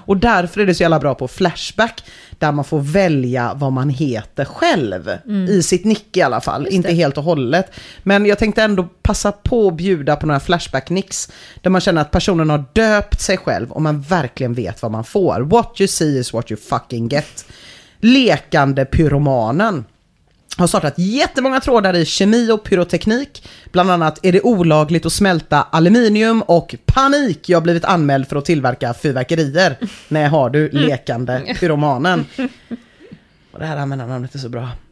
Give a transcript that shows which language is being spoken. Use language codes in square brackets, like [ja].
[sv] Och därför är det så jävla bra på Flashback, där man får välja vad man heter själv. Mm. I sitt nick i alla fall. Just inte det. Helt och hållet. Men jag tänkte ändå passa på att bjuda på några Flashback-nicks där man känner att personen har döpt sig själv och man verkligen vet vad man får. [en] What you see is what you fucking get. [sv] Lekande pyromanen har startat jättemånga trådar i kemi och pyroteknik. Bland annat, är det olagligt att smälta aluminium? Och panik, jag har blivit anmäld för att tillverka fyrverkerier. Nej, har du lekande pyromanen? Och det här använder namnet är så bra.